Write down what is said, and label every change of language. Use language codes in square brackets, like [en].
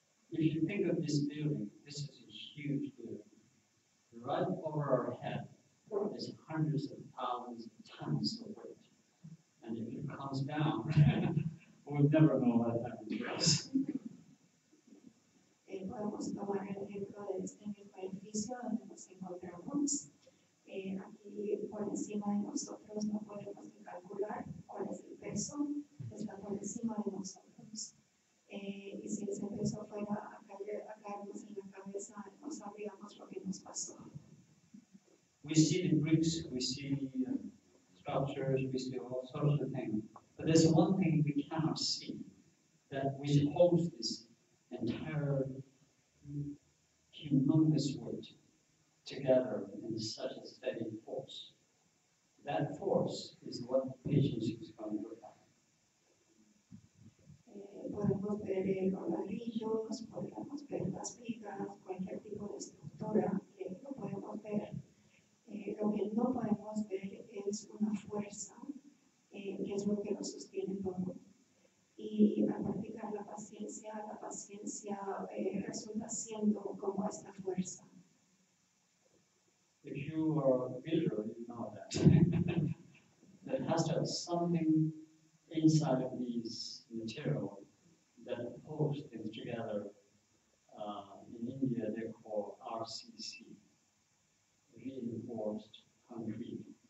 [en] If you think of this building, this is a huge building. Right over our head is hundreds of thousands of tons of weight. And if it comes down, we'll never know what happens to us. [es] Podemos tomar el ejemplo de este mismo edificio donde nos encontramos. Aquí por encima de nosotros no podemos ni calcular cuál es el peso que está por encima de nosotros. Y si ese peso fuera a caernos en la cabeza, no sabríamos lo que nos pasó. [en] We see the bricks, we see structures, we see all sorts of things. But there's one thing we cannot see, that we hold this entire humongous weight together in such a steady force. That force is what the patience is going to require. [es] Podemos ver los ladrillos, podemos ver las vigas, cualquier tipo de estructura que no podemos ver. Lo que no podemos ver es una fuerza que es lo que lo sostiene todo. Y al practicar la paciencia resulta siendo como esta fuerza. [en] If you are a builder, you know that. There has to have something inside of these material that holds things together. In India, they call RCC, reinforced concrete.